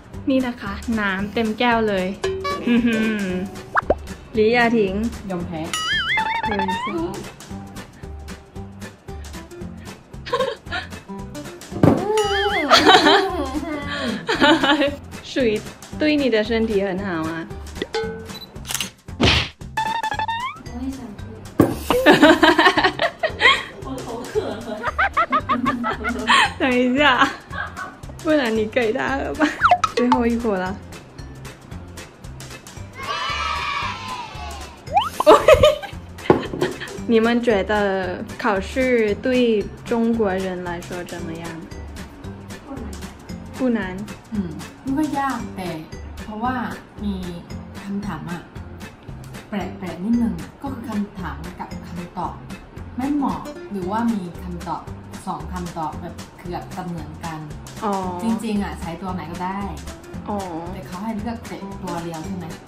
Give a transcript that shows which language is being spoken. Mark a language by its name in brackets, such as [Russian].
[Thai] นี่นะคะน้ำเต็มแก้วเลยหรืออยากถึง ยอมแพ้ [Chinese] เฮ้ยสุยสุย对你的身体很好啊等一下，不然你给他了吧。最后一口了。你们觉得考试对中国人来说怎么样？不难。不难。嗯，不会呀，对， [Thai] เพราะว่ามีคำถามอ่ะแปลกๆนิดนึงก็คือคำถามกับคำตอบไม่เหมาะหรือว่ามีคำตอบสองคำตอบแบบเกือบเสมือนกันจริงๆอ่ะใช้ตัวไหนก็ได้แต่เขาให้เลือกแต่ตัวเดียวใช่ไหม